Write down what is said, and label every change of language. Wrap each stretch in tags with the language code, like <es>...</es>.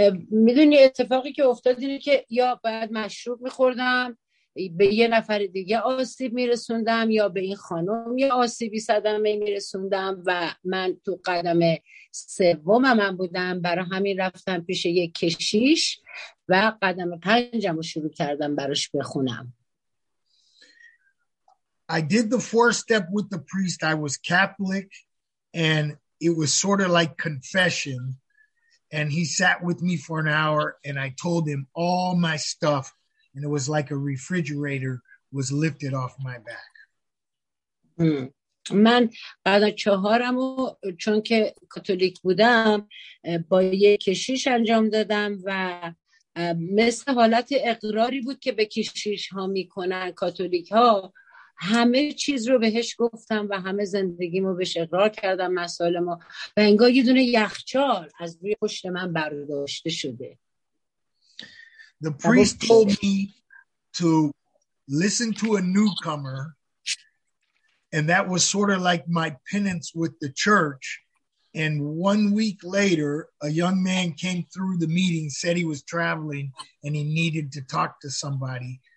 <fa>میدونی اتفاقی که افتاد اینه که یا باید مشروب می‌خوردم، به یه نفر دیگه آسیب میرسوندم، یا به این خانم یه آسیبی صدمه میرسوندم، و من تو قدم سوم من بودم. برای همین رفتم پیش یه کشیش و قدم پنجم رو شروع کردم براش بخونم.</fa> <en>I did the fourth step with the priest. I was Catholic and it was sort of like confession, and he sat with me for an hour and I told him all my stuff. And it was like a refrigerator was lifted off my back.</en> <fa>من بعد از چهارم و چون که کاتولیک بودم با یک کشیش انجام دادم و مثل حالت اقراری بود که به کشیش ها میکنن کاتولیک ها، همه چیز رو بهش گفتم و همه زندگیمو بهش اقرار کردم، مسائلمو، و انگار یه دونه یخچال از روی پشت من برداشته شده.</fa> <en>The priest told me to listen to a newcomer, and that was sort of like my penance with the church. And 1 week later, a young man came through the meeting, said he was traveling and he needed to talk to somebody.</en>